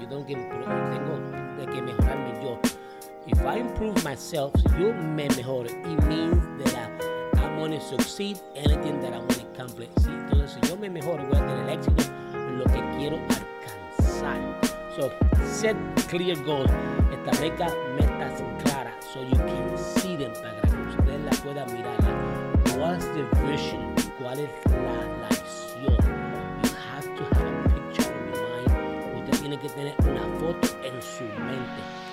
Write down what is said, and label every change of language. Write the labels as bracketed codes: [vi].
[es] Yo tengo que improve, tengo que mejorarme yo. [en] If I improve myself, [es] si yo me mejoro, [en] it means that I'm going to succeed anything that I want to accomplish. [es] ¿Sí? Entonces, si yo me mejoro, voy a tener éxito en lo que quiero alcanzar. [en] So, set clear goals. [es] Establezca metas claras [en] so you can see them, [es] para que ustedes las puedan mirar. [en] What's the the vision, [es] cuál es la visión. [en] You have to have a picture in mind. [es] Usted tiene que tener una foto en su mente.